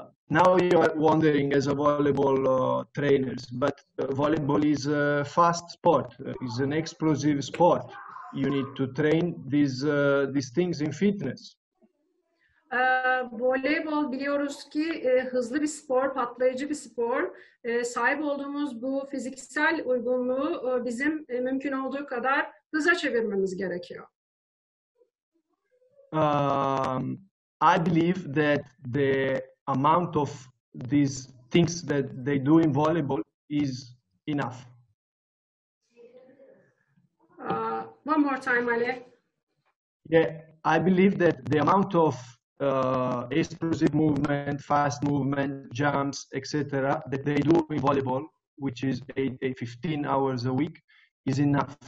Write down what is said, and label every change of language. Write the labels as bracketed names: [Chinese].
[English] Now you are wondering as a volleyball trainers, but volleyball is a fast sport, is an explosive sport. You need to train these things in fitness. [Turkish] Voleybol biliyoruz ki hızlı bir spor, patlayıcı bir spor. Sahip olduğumuz bu fiziksel uygunluğu bizim mümkün olduğu kadar hıza çevirmemiz gerekiyor. [English] I believe that the amount of these things that they do in volleyball is enough. One more time, Ale. Yeah, I believe that the amount of explosive movement, fast movement, jumps, etc., that they do in volleyball, which is 15 hours a week, is enough.